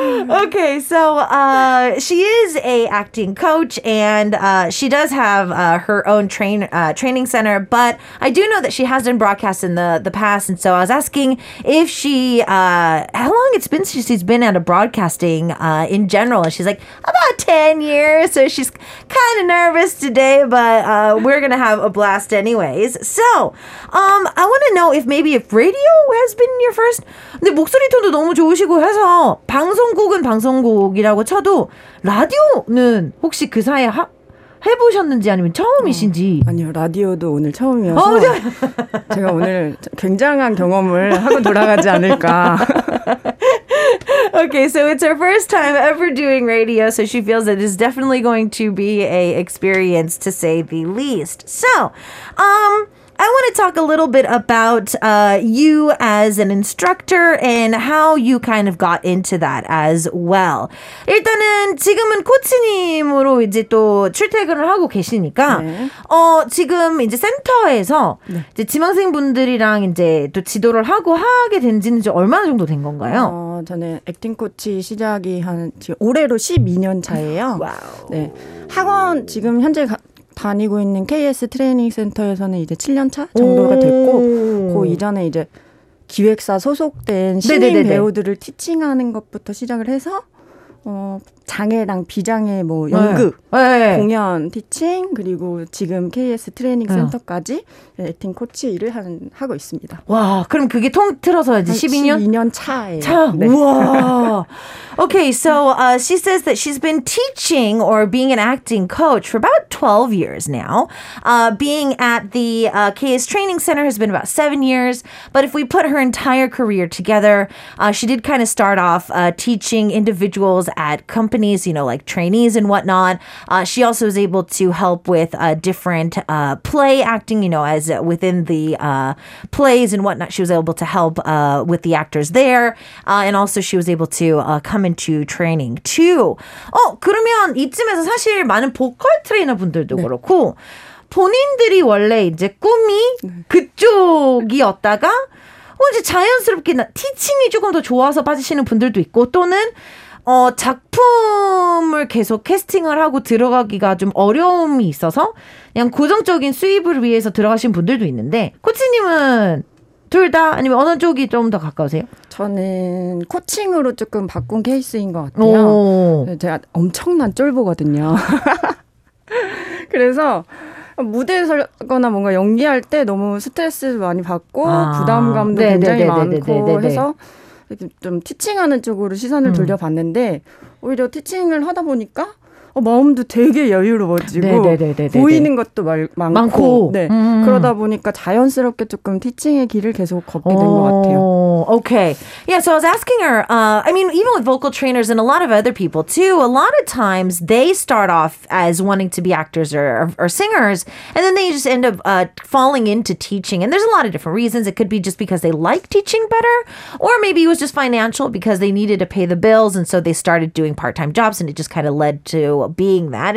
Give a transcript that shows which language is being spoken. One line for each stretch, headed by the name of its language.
English: Okay, so she is a acting coach and she does have her own training center, but I do know that she has been broadcast in the past, and so I was asking if she how long it's been since she's been out of broadcasting in general, and she's like about 10 years, so she's kind of nervous today, but we're gonna have a blast anyways. So I want to know if maybe if radio has been your first.
Korean: 근데 목소리 톤도 너무 좋으시고 해서 방송국은 방송국이라고 쳐도 라디오는 혹시 그 사이에 해보셨는지 아니면 처음이신지. 아니요, 라디오도 오늘 처음이어서 제가 오늘 굉장한 경험을 하고 돌아가지 않을까.
English: Okay, so it's her first time ever doing radio, so she feels it is definitely going to be a experience to say the least. So, I want to talk a little bit about you as an instructor and how you kind of got into that as well.
Korean: 일단은 지금은 코치님으로 이제 또 출퇴근을 하고 계시니까 네. 지금 이제 센터에서 네. 이제 지망생분들이랑 이제 또 지도를 하고 하게 된 지는 이제 얼마나 정도 된 건가요? 저는 액팅 코치 시작이 한 지금 올해로 12년 차예요. 와우. 네. 학원 지금 현재 다니고 있는 KS 트레이닝 센터에서는 이제 7년 차 정도가 됐고 그 이전에 이제 기획사 소속된 신인 네네네네. 배우들을 티칭하는 것부터 시작을 해서 장애랑 비장애 뭐 연극 네. 네. 공연 티칭 그리고 지금 KS 트레이닝 센터까지 액팅 코치 일을 하고 있습니다. 와, 그럼 그게 통틀어서 이제 12년? 12년 차예요. 차. 네. 와.
English: Okay, so she says that she's been teaching or being an acting coach for about 12 years now. Being at the KS Training Center has been about 7 years. But if we put her entire career together, she did kind of start off teaching individuals at companies, you know, like trainees and whatnot. She also was able to help with different play acting, you know, as within the plays and whatnot. She was able to help with the actors there. And also she was able to come into training too.
Korean: 그러면 이쯤에서 사실 많은 보컬 트레이너분들도 네. 그렇고 본인들이 원래 이제 꿈이 네. 그쪽이었다가 이제 자연스럽게 티칭이 조금 더 좋아서 빠지시는 분들도 있고 또는 작품을 계속 캐스팅을 하고 들어가기가 좀 어려움이 있어서 그냥 고정적인 수입을 위해서 들어가신 분들도 있는데 코치님은 둘 다? 아니면 어느 쪽이 좀 더 가까우세요? 저는 코칭으로 조금 바꾼 케이스인 것 같아요. 오. 제가 엄청난 쫄보거든요. 그래서 무대에 서거나 뭔가 연기할 때 너무 스트레스 많이 받고 부담감도 네네, 굉장히 네네, 많고 네네, 네네, 해서 좀 티칭하는 쪽으로 시선을 돌려봤는데 오히려 티칭을 하다 보니까 마음도 되게 여유로워지고 네네네네네네. 보이는 것도 많고 네. 그러다 보니까 자연스럽게 조금 티칭의 길을 계속 걷게 된 것 같아요.
English: Okay. Yeah, so I was asking her, I mean, even with vocal trainers and a lot of other people too, a lot of times they start off as wanting to be actors or singers, and then they just end up falling into teaching. And there's a lot of different reasons. It could be just because they like teaching better, or maybe it was just financial because they needed to pay the bills, and so they started doing part-time jobs, and it just kind of led to being that.